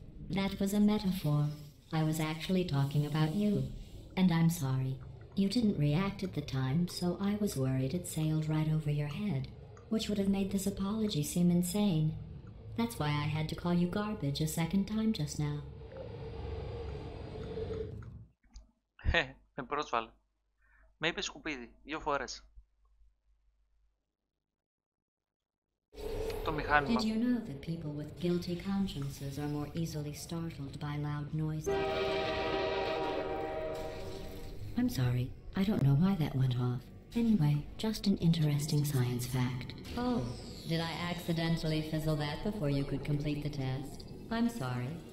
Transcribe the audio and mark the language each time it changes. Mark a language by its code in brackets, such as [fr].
[en] That was a metaphor. I was actually talking about you. And I'm sorry. You didn't react at the time, so I was worried it sailed right over your head, which would have made this apology seem insane. That's why I had to call you garbage a second time just now. [el] Με πρόσβαλε. Με είπε σκουπίδι, δύο φορές. Το μηχάνημα. [en] Did you know that people with guilty consciences are more easily startled by loud noises? I'm sorry, I don't know why that went off. Anyway, just an interesting science fact. Oh, did I accidentally fizzle that before you could complete the test? I'm sorry.